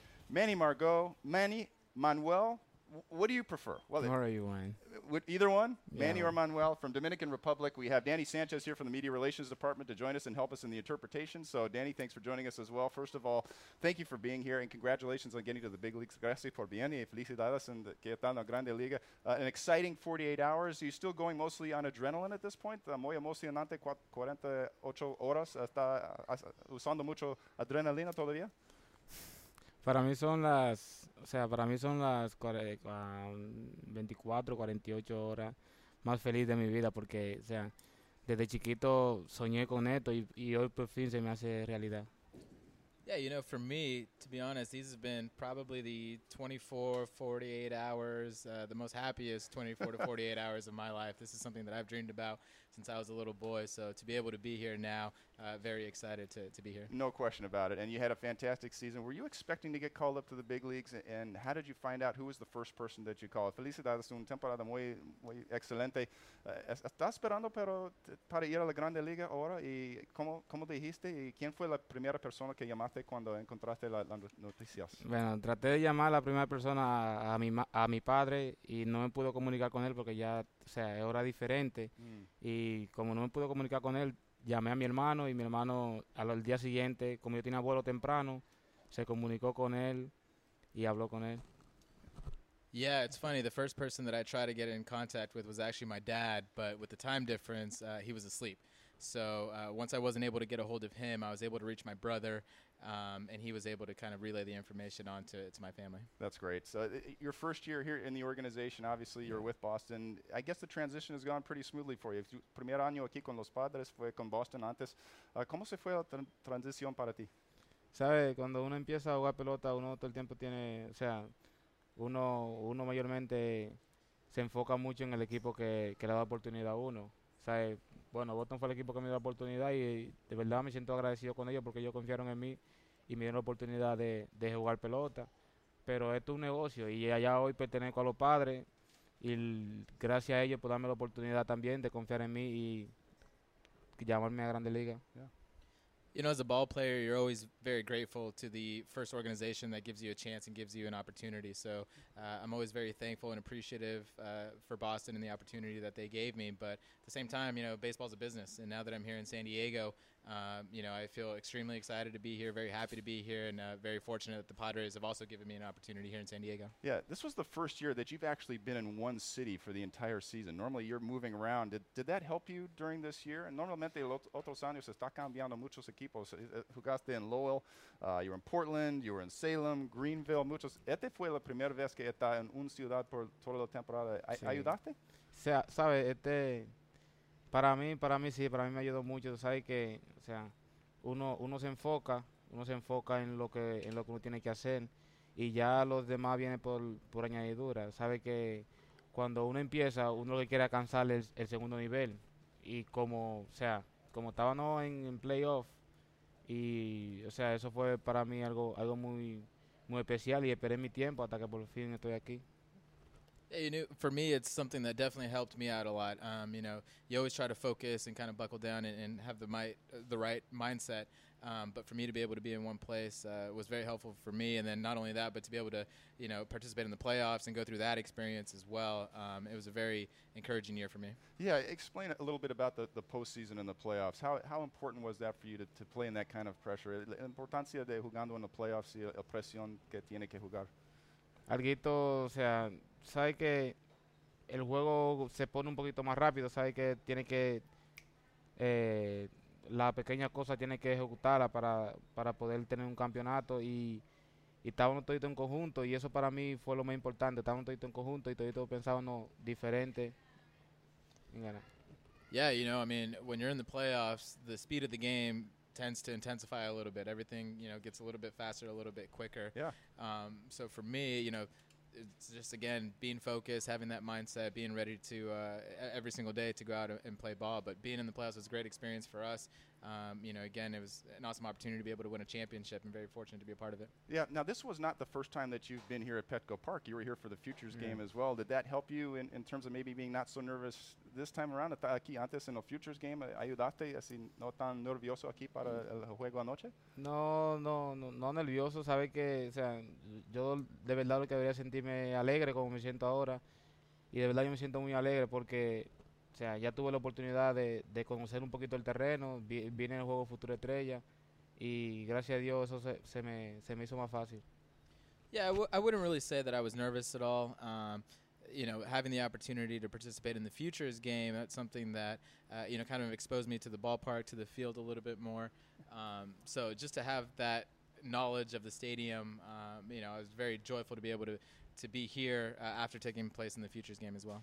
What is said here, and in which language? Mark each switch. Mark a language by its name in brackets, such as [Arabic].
[English] Manny Margot, Manny Manuel. What do you prefer? Well, who are you, Wayne? Either one, yeah. Manny or Manuel from Dominican Republic. We have Danny Sanchez here from the Media Relations Department to join us and help us in the interpretation. So, Danny, thanks for joining us as well. First of all, thank you for being here, and congratulations on getting to the big leagues. [Spanish] Gracias por venir y felicidades en que están la grande liga. [English] An exciting 48 hours. Are you still going mostly on adrenaline at this point? [Spanish] Muy emocionante, 48 horas. ¿Está usando mucho adrenalina todavía? Para mí son las, o sea, para mí son las 24, 48 horas más feliz de mi vida porque, o sea, desde chiquito soñé con esto y hoy por fin se me hace realidad. [English] Yeah, you know, for me, to be honest, these have been probably the 24, 48 hours, the most happiest 24 to 48 hours of my life. This is something that I've dreamed about since I was a little boy. So to be able to be here now, very excited to be here. No question about it. And you had a fantastic season. Were you expecting to get called up to the big leagues? And how did you find out who was the first person that you called? [Spanish] Felicidades, un temporada muy, muy excelente. ¿Estás esperando pero para ir a la Grande Liga ahora? ¿Y cómo dijiste? ¿Y quién fue la primera persona que llamaste cuando encontraste las noticias? Bueno, traté de llamar a la primera persona a mi padre y no me pudo comunicar con él porque ya, o sea, es hora diferente. Y como no me pudo comunicar con él, llamé a mi hermano y mi hermano al día siguiente, como yo tenía vuelo temprano, se comunicó con él y habló con él. [English] Yeah, it's funny. The first person that I tried to get in contact with was actually my dad, but with the time difference, he was asleep. So once I wasn't able to get a hold of him, I was able to reach my brother, and he was able to kind of relay the information on to my family. That's great. So your first year here in the organization, obviously you're with Boston. I guess the transition has gone pretty smoothly for you. [Spanish] Primer año aquí con los Padres, fue con Boston antes. ¿Cómo se fue la transición para ti? Sabes, cuando uno empieza a jugar pelota, uno todo el tiempo tiene, o sea, uno mayormente se enfoca mucho en el equipo que le da oportunidad a uno. ¿Sabe? Bueno, Boston fue el equipo que me dio la oportunidad y de verdad me siento agradecido con ellos porque ellos confiaron en mí y me dieron la oportunidad de jugar pelota. Pero esto es un negocio y allá hoy pertenezco a los Padres y gracias a ellos por darme la oportunidad también de confiar en mí y llamarme a Grandes Ligas. [English] Yeah. You know, as a ball player, you're always very grateful to the first organization that gives you a chance and gives you an opportunity. So I'm always very thankful and appreciative for Boston and the opportunity that they gave me. But at the same time, you know, baseball's a business. And now that I'm here in San Diego, you know, I feel extremely excited to be here, very happy to be here, and very fortunate that the Padres have also given me an opportunity here in San Diego. Yeah, this was the first year that you've actually been in one city for the entire season. Normally, you're moving around. Did that help you during this year? [Spanish] Normalmente, otros años, está cambiando muchos equipos. Jugaste en Lowell, [English] you were in Portland, you were in Salem, Greenville, [Spanish] muchos. ¿Este fue la primera vez que está en una ciudad por toda la temporada? Sí. ¿Ayudaste? Sabe, este... Para mí sí, para mí me ayudó mucho. Tú sabes que, o sea, uno se enfoca en lo que uno tiene que hacer y ya los demás vienen por añadidura. Sabes que cuando uno empieza, uno lo que quiere alcanzar es el segundo nivel. Y como, o sea, como estábamos en playoff, y, o sea, eso fue para mí algo muy, muy especial y esperé mi tiempo hasta que por fin estoy aquí. [English] You know, for me, it's something that definitely helped me out a lot. You know, you always try to focus and kind of buckle down and have the right mindset. But for me to be able to be in one place was very helpful for me. And then not only that, but to be able to, you know, participate in the playoffs and go through that experience as well. It was a very encouraging year for me. Yeah, explain a little bit about the postseason and the playoffs. How important was that for you to play in that kind of pressure? [Spanish] La importancia de jugando en los playoffs y la presión que tiene que jugar. Alguito, o sea... Sabes que el juego se pone un poquito más rápido, sabes que tiene que la pequeña cosa tiene que ejecutarla para poder tener un campeonato y estábamos todito en conjunto y eso para mí fue lo más importante, estábamos todito en conjunto y todito pensábamos diferente. [English] Yeah, you know, I mean, when you're in the playoffs, the speed of the game tends to intensify a little bit. Everything, you know, gets a little bit faster, a little bit quicker. Yeah. So for me, you know, it's just, again, being focused, having that mindset, being ready to every single day to go out and play ball. But being in the playoffs was a great experience for us. You know, again, it was an awesome opportunity to be able to win a championship and very fortunate to be a part of it. Yeah. Now, this was not the first time that you've been here at Petco Park. You were here for the Futures game as well. Did that help you in terms of maybe being not so nervous this time around? [Spanish] ¿Estás aquí antes en el Futures game? ¿Ayudaste así no tan nervioso aquí para el juego anoche? No nervioso. Sabe que, o sea, yo de verdad lo que debería sentirme alegre como me siento ahora. Y de verdad yo me siento muy alegre porque... O sea, ya tuve la oportunidad de conocer un poquito el terreno, vine en el juego Futura Estrella, y gracias a Dios eso se me hizo más fácil. [English] Yeah, I wouldn't really say that I was nervous at all. You know, having the opportunity to participate in the Futures game, that's something that, you know, kind of exposed me to the ballpark, to the field a little bit more. So just to have that knowledge of the stadium, you know, I was very joyful to be able to be here after taking place in the Futures game as well.